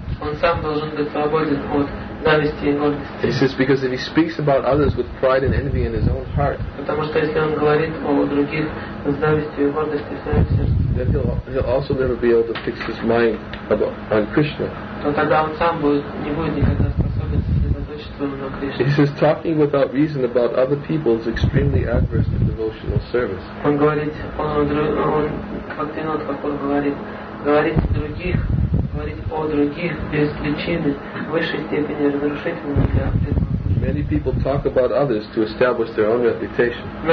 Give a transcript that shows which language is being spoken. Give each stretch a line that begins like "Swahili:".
Russian: Он сам должен быть свободен от зависти и гордости.
English: He says because if he speaks about others with pride and envy in his own heart.
Russian: Потому что если он говорит о других с завистью и гордостью в своем сердце.
English: Then he'll also never be able to fix his mind on Krishna.
Russian: Но тогда он сам не будет никогда способен сосредоточиться на Кришне.
English: He says talking without reason about other people is extremely adverse to devotional service.
Russian: Он говорит, он как-то не так он говорит, говорит других.
English: Many people talk about others to establish their own reputation.